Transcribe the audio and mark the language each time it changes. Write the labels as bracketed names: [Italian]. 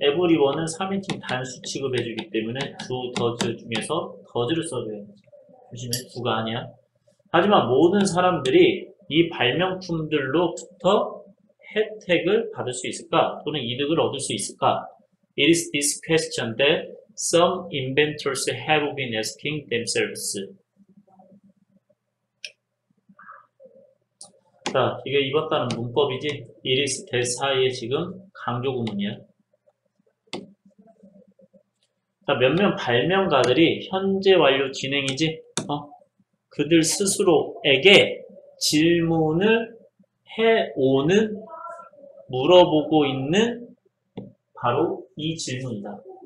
[Korean] Everyone은 3인칭 단수 취급해주기 때문에 do, does 중에서 does를 써줘야 돼. 조심해, do가 아니야. 하지만 모든 사람들이 이 발명품들로부터 혜택을 받을 수 있을까? 또는 이득을 얻을 수 있을까? [English] It is this question that some inventors have been asking themselves. [Korean] 자, 이게 입었다는 문법이지? It is that 사이에 지금 강조구문이야. 자, 몇몇 발명가들이 현재 완료 진행이지? 그들 스스로에게 질문을 해오는, 물어보고 있는 바로 이 질문이다.